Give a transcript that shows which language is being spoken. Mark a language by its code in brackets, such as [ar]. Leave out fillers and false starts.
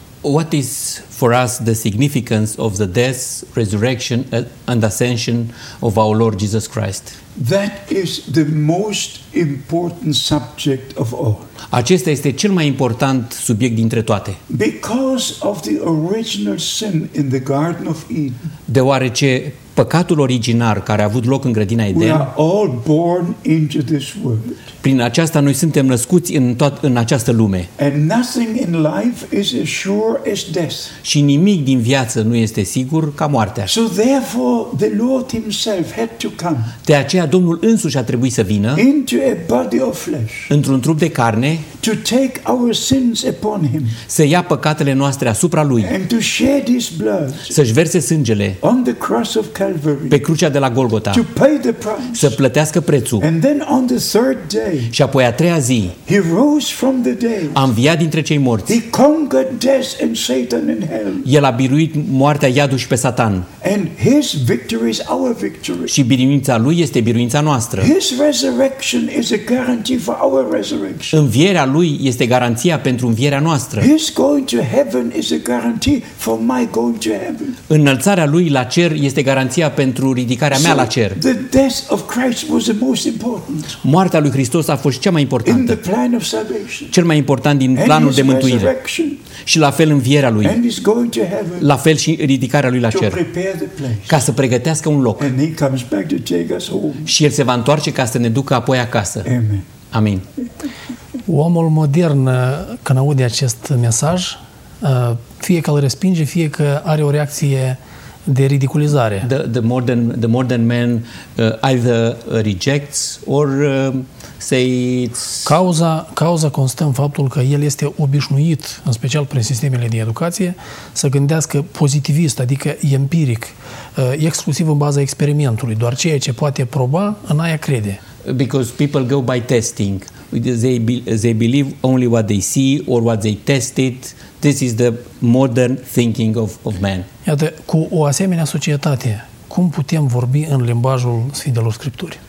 [en] What is for us the significance of the death, resurrection and ascension of our Lord Jesus Christ? That is the most important subject of all. [ro] Acesta este cel mai important subiect dintre toate. [en] Because of the original sin in the Garden of Eden. [ro] Deoarece păcatul originar care a avut loc în grădina Eden. [en] We are all born into this world. [ro] Prin aceasta noi suntem născuți în această lume. [en] And nothing in life is as sure as death. [ro] Și nimic din viață nu este sigur ca moartea. [en] So therefore the Lord himself had to come. [ro] De aceea Domnul însuși a trebuit să vină. [en] Into a body of flesh. [ro] Într-un trup de carne. [en] To take our sins upon him. [ro] Să ia păcatele noastre asupra lui. [en] And to shed his blood. [ro] Să-și verse sângele. [en] On the cross of Calvary. [ro] Pe crucea de la Golgota. [en] To pay the price. [ro] Să plătească prețul. [en] And then on the third day. [ro] Și apoi a treia zi. [en] He rose from the dead. [ro] A înviat dintre cei morți. [en] He conquered death and Satan in hell. [ro] El a biruit moartea, iadul și pe Satan. [en] And his victory is our victory. [ro] Și biruința lui este biruința noastră. [en] His resurrection is a guarantee for our resurrection. [ro] Învierea lui este garanția pentru învierea noastră. [en] His going to heaven is a guarantee for my going to heaven. [ro] Înălțarea lui la cer este garanția pentru ridicarea mea la cer. [en] The death of Christ was the most important. [ro] Moartea lui Hristos a fost cea mai importantă. [en] In the plan of salvation. [ro] Cel mai important din planul de mântuire. Și la fel învierea lui. [en] And he's going to heaven. [ro] La fel și ridicarea lui la cer. [en] To prepare the place. [ro] Ca să pregătească un loc. [en] And he comes back to take us home. [ro] Și el se va întoarce ca să ne ducă apoi acasă. [en] Amen. [ro] Amin. Omul modern, când aude acest mesaj, fie că îl respinge, fie că are o reacție de ridiculizare. [en] The modern man either rejects or say it's... [ro] Cauza constă în faptul că el este obișnuit, în special prin sistemele de educație, să gândească pozitivist, adică empiric, exclusiv în baza experimentului, doar ceea ce poate proba, în aia crede. [en] Because people go by testing. They believe only what they see or what they tested. This is the modern thinking of man. [ro] Iată, cu o asemenea societate, cum putem vorbi în limbajul Sfintelor Scripturi?